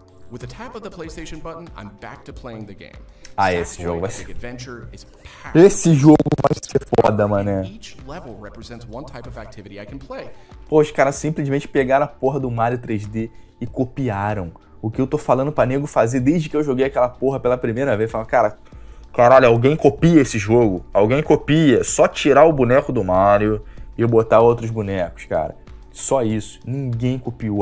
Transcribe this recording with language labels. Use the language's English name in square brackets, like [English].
[English] With a tap of the PlayStation button, I'm back to playing the game. [Portuguese] Ah, esse jogo vai ser foda, mané. [English] Each level represents one type of activity I can play. [Portuguese] Pô, os caras simplesmente pegaram a porra do Mario 3D e copiaram. O que eu tô falando pra nego fazer desde que eu joguei aquela porra pela primeira vez. Fala, cara, caralho, alguém copia esse jogo. Alguém copia. Só tirar o boneco do Mario e botar outros bonecos, cara. Só isso. Ninguém copiou.